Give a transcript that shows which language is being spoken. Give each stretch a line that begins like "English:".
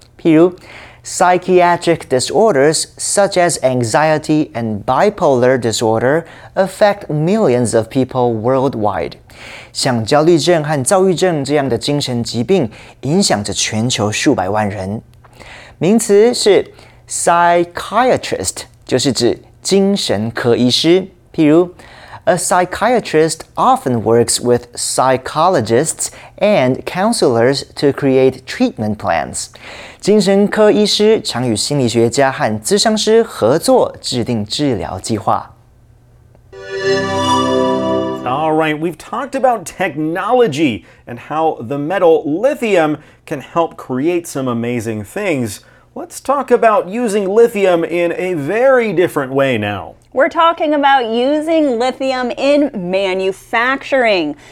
Chinese: 譬如
English: psychiatric disorders such as anxiety and bipolar disorder affect millions of people worldwide.
Chinese: 像焦虑症和躁郁症这样的精神疾病影响着全球数百万人。名词是 psychiatrist, 就是指精神科医师。譬如
English: A psychiatrist often works with psychologists and counselors to create treatment plans.
Chinese: 精神科医师常与心理学家和咨商师合作制定治疗计划。
English: All right, we've talked about technology and how the metal lithium can help create some amazing things. Let's talk about using lithium in a very different way now. We're talking about using lithium in manufacturing.